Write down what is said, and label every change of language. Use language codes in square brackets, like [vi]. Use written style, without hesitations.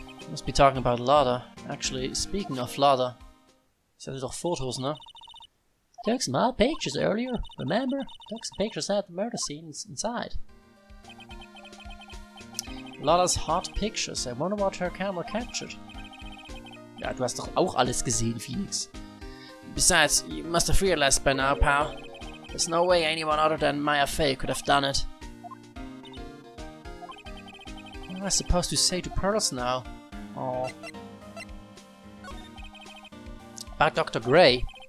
[en] Must be talking about Lada. Actually, speaking of Lada... [de] Sind doch Fotos, ne? [en] Took some odd pictures earlier, remember? Took some pictures at the murder scenes inside. Lada's hot pictures, I wonder what her camera captured. [de] Ja, du hast doch auch alles gesehen, Phoenix. [en] Besides, you must have realized by now, pal. There's no way anyone other than Maya Faye could have done it. What am I supposed to say to Pearls now? Aww. About Dr. Gray.